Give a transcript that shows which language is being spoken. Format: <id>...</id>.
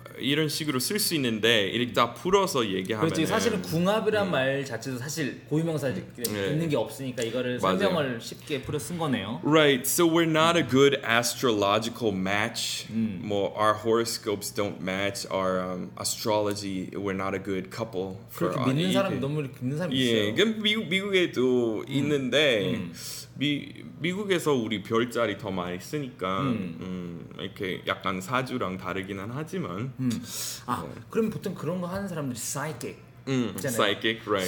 <ko>이런 식으로 쓸 수 있는데 이렇게 다 풀어서 얘기하면 그렇지, 사실은 궁합이란 말 자체도 사실 고유명사 있는 게 없으니까 이거를 설명을 맞아요. 쉽게 풀어 쓴 거네요</ko> <en>Right, so we're not a good astrological match Well, our horoscopes don't match our astrology We're not a good couple</en> <ko>그렇게</ko> <en>for</en> <ko>믿는 사람 너무 믿는 사람 예, 있어요 그럼 미국에도 있는데 미국에서 우리 별자리 더 많이 쓰니까 이렇게 약간 사주랑 다르기는 하지만 아 뭐. 그럼 보통 그런 거 하는 사람들이 사이킥 사이킥</ko> <en>right</en>